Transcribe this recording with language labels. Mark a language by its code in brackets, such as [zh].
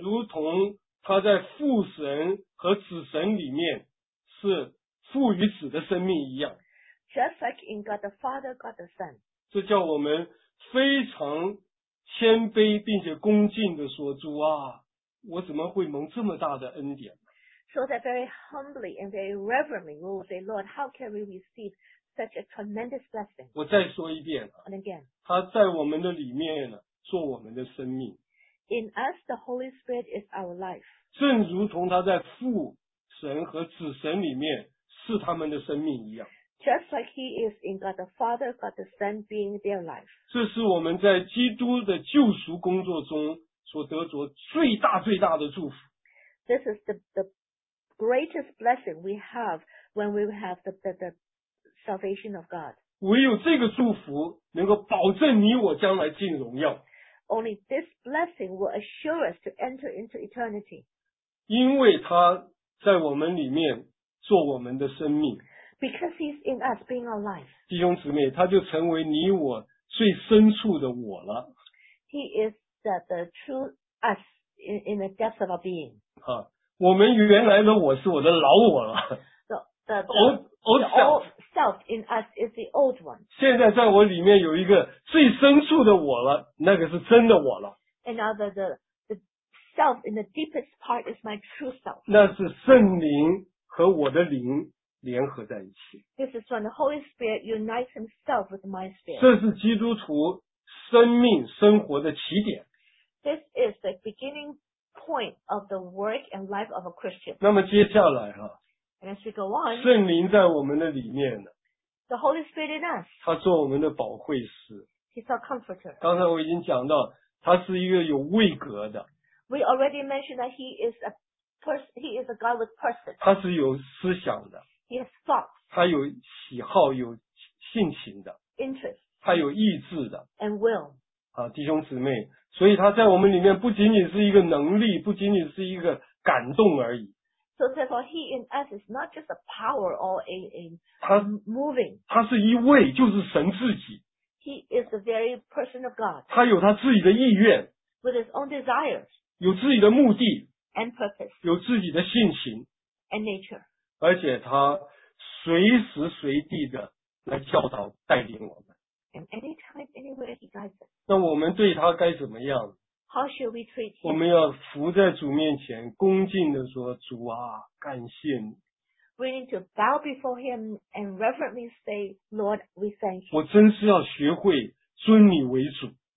[zh] 如同他在父神和子神里面是父与子的生命一样。 [en] Just like in God the Father, God the Son. [zh] 这叫我们非常谦卑并且恭敬地说，主啊，我怎么会蒙这么大的恩典？ [en] So that very humbly and very reverently we will say, Lord, how can we receive such a tremendous blessing? [zh] 我再说一遍。 [en] And again. [zh] 他在我们的里面呢，做我们的生命。 [en] In us, the Holy Spirit is our life. [zh] 正如同他在父神和子神里面是他们的生命一样。 [en] Just like He is in God the Father, God the Son being their life. [zh] 这是我们在基督的救赎工作中所得着最大最大的祝福。 [en] This is the greatest blessing we have when we have the salvation of God. [zh] 唯有这个祝福能够保证你我将来进荣耀。 [en] Only this blessing will assure us to enter into eternity. [zh] 因为他在我们里面做我们的生命。 [en] Because he's in us, being our life. [zh] 弟兄姊妹，他就成为你我最深处的我了。 [en] He is the true us in the depths of our being. [zh] 我们原来的我是我的老我了。 [en] The old self in us is the old one. [zh] 现在在我里面有一个最深处的我了，那个是真的我了。 [en] And now the self in the deepest part is my true self. [zh] 那是圣灵和我的灵。联合在一起。 [en] This is when the Holy Spirit unites Himself with my spirit. [zh] 这是基督徒生命生活的起点。 [en] This is the beginning point of the work and life of a Christian. [zh] 那么接下来哈。 [en] And as we go on. [zh] 圣灵在我们的里面呢。 [en] The Holy Spirit in us. [zh] 他做我们的保惠师。 [en] He's our comforter. [zh] 刚才我已经讲到，他是一个有位格的。 [en] We already mentioned that he is a person. He is a God with person. [zh] 他是有思想的。 [en] He has thoughts. [zh] 他有喜好，有性情的。 [en] Interest. [zh] 他有意志的。 [en] And will. [zh] 啊，弟兄姊妹，所以他在我们里面不仅仅是一个能力，不仅仅是一个感动而已。 [en] So therefore, he in us is not just a power or a moving. [zh] 他是一位，就是神自己。 [en] He is the very person of God. [zh] 他有他自己的意愿。 [en] With his own desires. [zh] 有自己的目的。 [en] And purpose. [zh] 有自己的性情。 [en] And nature. [zh] 而且他随时随地的来教导带领我们。 [en] And anytime, anywhere he guides us. [zh] 那我们对他该怎么样？ [en] How should we treat him? [zh] 我们要伏在主面前，恭敬地说：“主啊，感谢你。” [en] We need to bow before him and reverently say, "Lord, we thank you." [zh] 我真是要学会尊你为主。